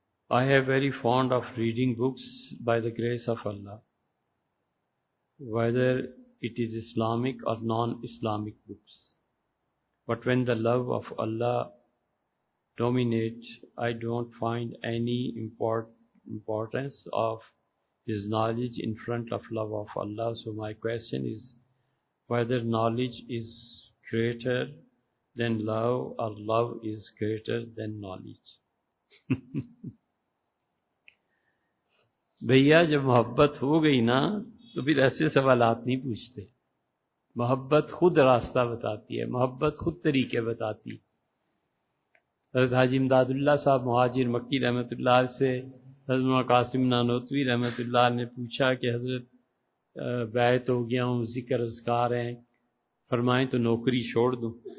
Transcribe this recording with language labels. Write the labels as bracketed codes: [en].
[en] I have very fond of reading books by the grace of Allah, whether it is Islamic or non-Islamic books. But when the love of Allah dominates, I don't find any importance of His knowledge in front of love of Allah. So my question is whether knowledge is greater than love or love is greater than knowledge. [ur] بھیا، جب محبت ہو گئی نا تو پھر ایسے سوالات نہیں پوچھتے، محبت خود راستہ بتاتی ہے، محبت خود طریقے بتاتی۔ حضرت حاجی امداد اللہ صاحب مہاجر مکی رحمۃ اللہ سے حضرت قاسم نانوتوی رحمۃ اللہ نے پوچھا کہ حضرت بیعت ہو گیا ہوں، ذکر اذکار ہیں، فرمائیں تو نوکری چھوڑ دوں۔